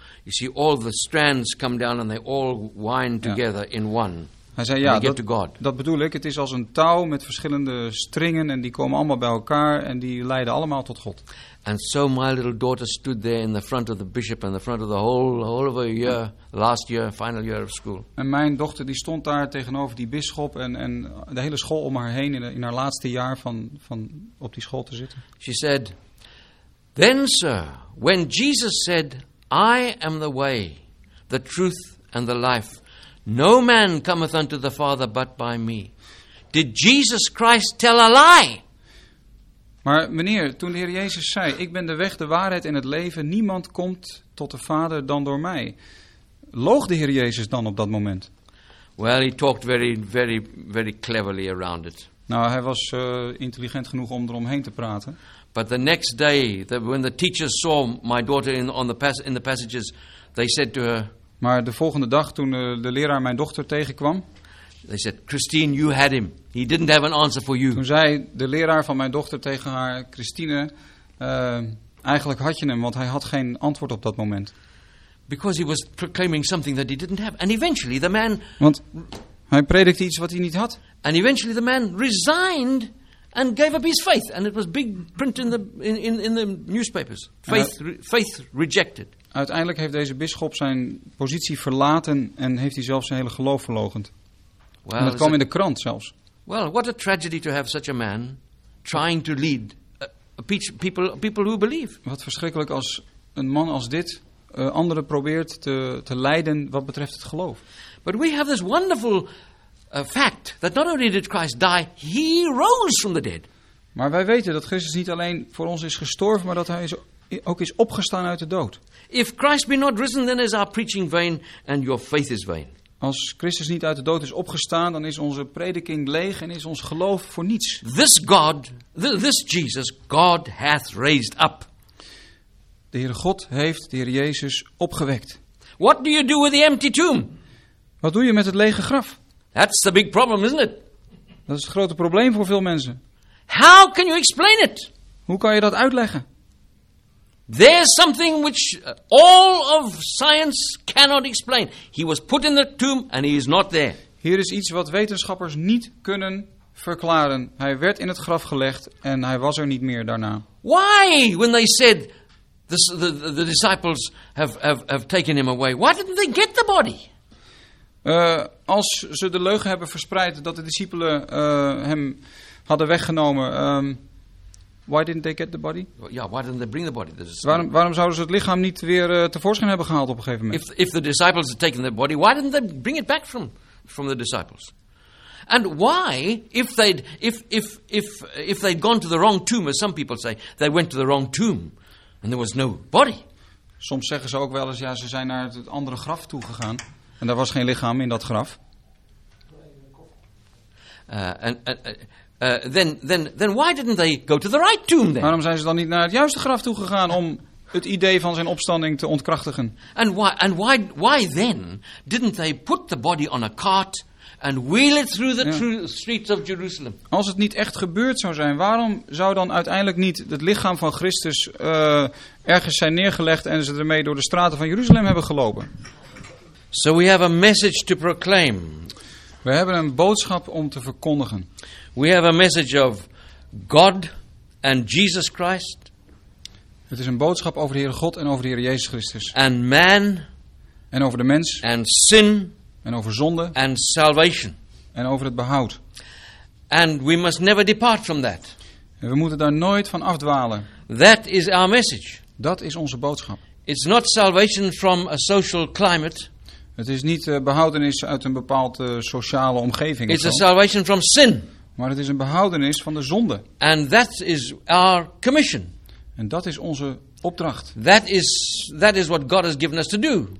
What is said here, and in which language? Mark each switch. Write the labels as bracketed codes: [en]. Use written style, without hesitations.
[en] You see, all the strands come down and they all wind together in one. [nl] Hij zei, ja, dat bedoel ik. Het is als een touw met verschillende stringen en die komen allemaal bij elkaar en die leiden allemaal tot God. [en] And so my little daughter stood there in the front of the bishop and the front of the whole of her year, last year, final year of school. [nl] En mijn dochter die stond daar tegenover die bisschop en de hele school om haar heen in haar laatste jaar van op die school te zitten. [en] She said, then sir, when Jesus said, I am the way, the truth and the life, no man cometh unto the Father but by me. Did Jesus Christ tell a lie? [nl] Maar meneer, toen de Heer Jezus zei, ik ben de weg, de waarheid en het leven, niemand komt tot de Vader dan door mij. Loog de Heer Jezus dan op dat moment? [en] Well, he talked very, very, very cleverly around it. [nl] Nou, hij was intelligent genoeg om eromheen te praten. [en] But the next day, when the teachers saw my daughter in the passages, they said to her, [nl] maar de volgende dag, toen de leraar mijn dochter tegenkwam, [en] they said, Christine, you had him. He didn't have an answer for you. [nl] Toen zei de leraar van mijn dochter tegen haar, Christine, eigenlijk had je hem, want hij had geen antwoord op dat moment. [en] Because he was proclaiming something that he didn't have. And eventually the man. [nl] Want hij predikte iets wat hij niet had. [en] And eventually the man resigned and gave up his faith. And it was big print in the newspapers. Faith rejected. [nl] Uiteindelijk heeft deze bisschop zijn positie verlaten en heeft hij zelfs zijn hele geloof verloochend. Well, en dat kwam in de krant zelfs. [en] Well, what a tragedy to have such a man trying to lead people who believe. [nl] Wat verschrikkelijk als een man als dit anderen probeert te leiden wat betreft het geloof. [en] But we have this wonderful fact that not only did Christ die, he rose from the dead. [nl] Maar wij weten dat Christus niet alleen voor ons is gestorven, maar dat hij ook is opgestaan uit de dood. [en] If Christ be not risen, then is our preaching vain and your faith is vain. [nl] Als Christus niet uit de dood is opgestaan, dan is onze prediking leeg en is ons geloof voor niets. [en] This God, this Jesus, God hath raised up. [nl] De Heere God heeft de Heer Jezus opgewekt. [en] What do you do with the empty tomb? [nl] Wat doe je met het lege graf? [en] That's the big problem, isn't it? [nl] Dat is het grote probleem voor veel mensen. [en] How can you explain it? [nl] Hoe kan je dat uitleggen? [en] There's something which all of science cannot explain. He was put in the tomb and he is not there. [nl] Hier is iets wat wetenschappers niet kunnen verklaren. Hij werd in het graf gelegd en hij was er niet meer daarna. [en] Why, when they said the disciples have taken him away, why didn't they get the body? [nl] Als ze de leugen hebben verspreid dat de discipelen hem hadden weggenomen. [en] Why didn't they get the body? Yeah, why didn't they bring the body? [nl] Waarom zouden ze het lichaam niet weer tevoorschijn hebben gehaald op een gegeven moment? [en] If the disciples had taken the body, why didn't they bring it back from the disciples? And why, if they'd gone to the wrong tomb, as some people say, they went to the wrong tomb, and there was no body. [nl] Soms zeggen ze ook wel eens, ja, ze zijn naar het andere graf toe gegaan, en daar was geen lichaam in dat graf. [en] Then why didn't they go to the right tomb then? [nl] Waarom zijn ze dan niet naar het juiste graf toe gegaan om het idee van zijn opstanding te ontkrachtigen? [en] And why then didn't they put the body on a cart and wheel it through the streets of Jerusalem? [nl] Als het niet echt gebeurd zou zijn, waarom zou dan uiteindelijk niet het lichaam van Christus ergens zijn neergelegd en ze ermee door de straten van Jeruzalem hebben gelopen? [en] So we have a message to proclaim. [nl] We hebben een boodschap om te verkondigen. [en] We have a message of God and Jesus Christ. [nl] Het is een boodschap over de Heere God en over de Heere Jezus Christus. [en] And man. [nl] En over de mens. [en] And sin. [nl] En over zonde. [en] And salvation. [nl] En over het behoud. [en] And we must never depart from that. [nl] En we moeten daar nooit van afdwalen. [en] That is our message. [nl] Dat is onze boodschap. [en] It's not salvation from a social climate. [nl] Het is niet behoudenis uit een bepaalde sociale omgeving. [en] It's a salvation from sin. [nl] Maar het is een behoudenis van de zonde. [en] And that is our commission. [nl] En dat is onze opdracht. [en] That is what God has given us to do.